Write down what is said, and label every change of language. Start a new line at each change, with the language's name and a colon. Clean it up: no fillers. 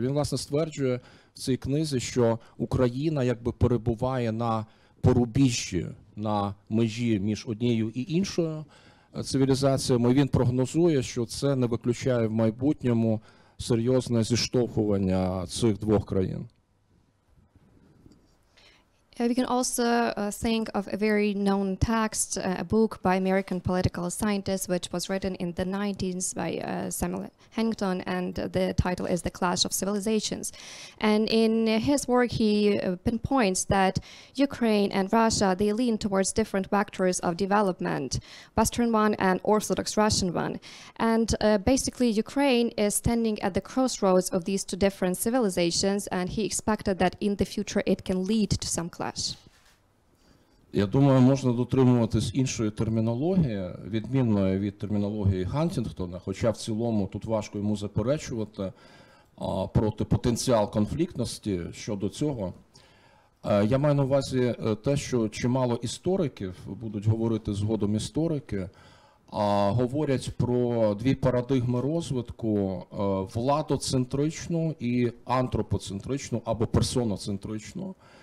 Ukrainian: Він, власне, стверджує в цій книзі, що Україна якби перебуває на порубіжжі, на межі між однією і іншою цивілізаціями. Він прогнозує, що це не виключає в майбутньому серйозне зіштовхування цих двох країн.
English: We can also think of a very known text, a book by American political scientist, which was written in the 90s by Samuel Huntington, and the title is The Clash of Civilizations. And in his work, he pinpoints that Ukraine and Russia, they lean towards different vectors of development, Western one and Orthodox Russian one. And basically, Ukraine is standing at the crossroads of these two different civilizations, and he expected that in the future it can lead to some clash.
Ukrainian: Я думаю, можна дотримуватись іншої термінології, відмінної від термінології Хантінгтона, хоча в цілому тут важко йому заперечувати. проти потенціал конфліктності щодо цього. Я маю на увазі те, що чимало істориків, будуть говорити згодом історики, говорять про дві парадигми розвитку – владоцентричну і антропоцентричну або персоноцентричну.